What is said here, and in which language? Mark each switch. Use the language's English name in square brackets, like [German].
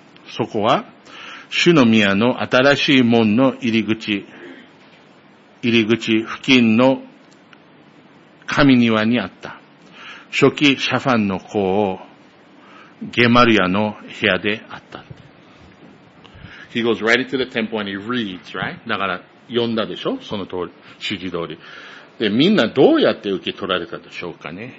[Japanese] そこは主の宮の新しい門の入り口付近の神庭にあった。初期シャファンの子をゲマルヤの部屋であった。 [English] He goes right into the temple and he reads, right? [Japanese] だから読んだでしょ？その通り、指示通り。で、みんなどうやって受け取られたでしょうかね